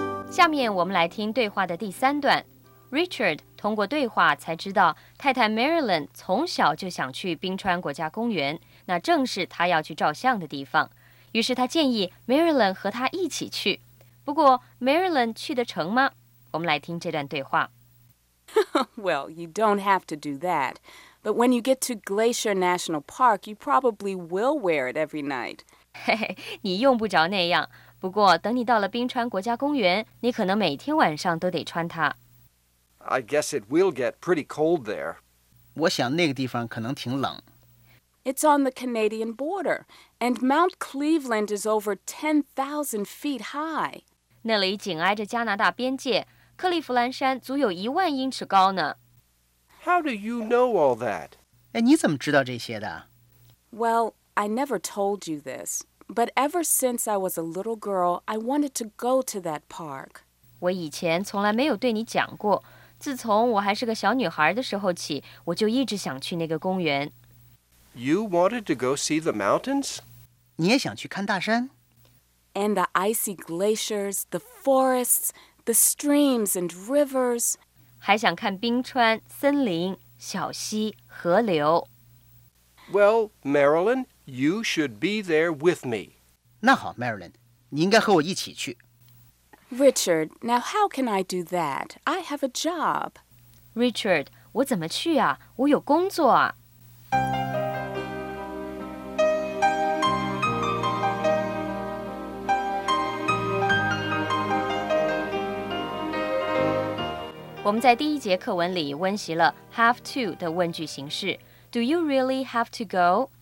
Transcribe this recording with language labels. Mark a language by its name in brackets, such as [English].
[Chinese] 下面我们来听对话的第三段。Richard 通过对话才知道太太 Marilyn 从小就想去冰川国家公园，那正是他要去照相的地方，于是他建议 Marilyn 和他一起去。不过 Marilyn 去得成吗？我们来听这段对话。 [English] Well, you don't have to do that. But when you get to Glacier National Park, you probably will wear it every night. [Chinese] 你用不着那样，不过等你到了冰川国家公园，你可能每天晚上都得穿它。 [English] I guess it will get pretty cold there. [Chinese] 我想那个地方可能挺冷。 [English] It's on the Canadian border, and Mount Cleveland is over 10,000 feet high. [Chinese] 那里紧挨着加拿大边界，克利夫兰山足有一万英尺高呢。 [English] How do you know all that? [Chinese] 哎，你怎么知道这些的？ [English] Well, I never told you this. But ever since I was a little girl, I wanted to go to that park. [Chinese] 我以前从来没有对你讲过，自从我还是个小女孩的时候起，我就一直想去那个公园。 [English] You wanted to go see the mountains? [Chinese] 你也想去看大山？ [English] And the icy glaciers, the forests, the streams and rivers. [Chinese] 还想看冰川、森林、小溪、河流。 [English] Well, Marilyn... You should be there with me. [Chinese] 那好 ，Marilyn， 你应该和我一起去。 [English] Richard, now how can I do that? I have a job. [Chinese] Richard, 我怎么去啊？我有工作啊。我们在第一节课文里温习了 have to 的问句形式 ， [English] Do you really have to go?